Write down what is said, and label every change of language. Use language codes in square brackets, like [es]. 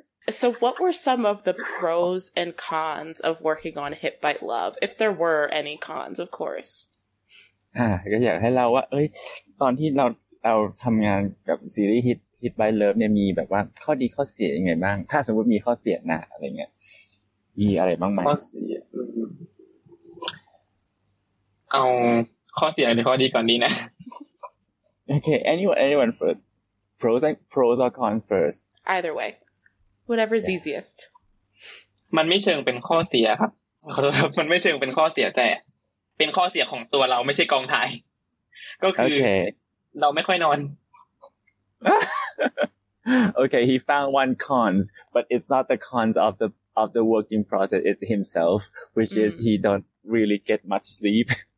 [en] So what were some of the pros and cons of working on Hit by Love? If there were any cons, of course. [th] ก็อยากให้เราว่าเอ้ยตอนที่เราทำงานกับซีรีส์ Hit by Love เนี่ยมีแบบว่าข้อดีข้อเสียยังไงบ้างถ้าสมมติมีข้อเสียนะอะไรเงี้ยมีอะไรบ้างไหม ข้อเสียเอาข้อเสียหรือข้อดีก่อนดีนะ [en] โอเค anyone first pros or cons first either way whatever is easiest [th] มันไม่เชิงเป็นข้อเสียครับมันไม่เชิงเป็นข้อเสียแต่เป็นข้อเสียของตัวเราไม่ใช่กองถ่ายก็คือ [en] okay. [th] เราไม่ค่อยนอน [en] okay he found one cons but it's not the cons of the working process it's himself which is he don't really get much sleep